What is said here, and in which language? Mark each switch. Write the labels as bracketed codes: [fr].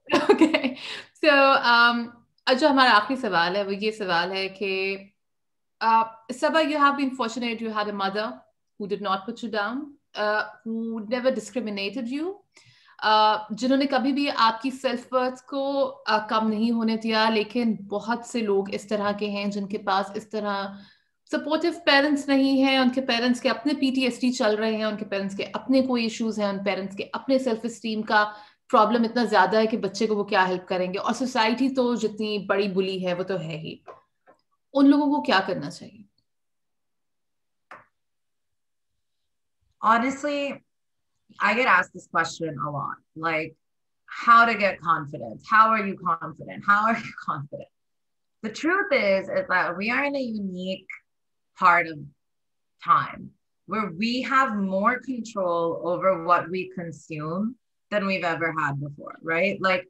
[ur] Okay, so jo hamara aakhri sawal hai, wo ye sawal hai ki Sabah, [en] you have been fortunate, you had a mother who did not put you down, who never discriminated you, [ur] jinhone kabhi bhi aapki self-worth ko kam nahi hone diya, lekin bahut se log is tarah ke hain jinke paas is tarah supportive parents نہیں ہیں, ان کے parents کے اپنے P T S D چل رہے ہیں, ان کے parents کے اپنے کوئی ایشوز ہیں, ان پیرنٹس کے اپنے سیلف اسٹیم کا پرابلم اتنا زیادہ ہے کہ بچے کو وہ کیا ہیلپ کریں گے, اور سوسائٹی تو جتنی بڑی بلی ہے وہ تو ہے ہی, ان لوگوں کو کیا کرنا چاہیے؟ [en] Honestly, I get asked this question a lot, like, how to get confidence? How are you confident? The truth is that we are in a unique part of time where we have more control over what we consume than we've ever had before, right?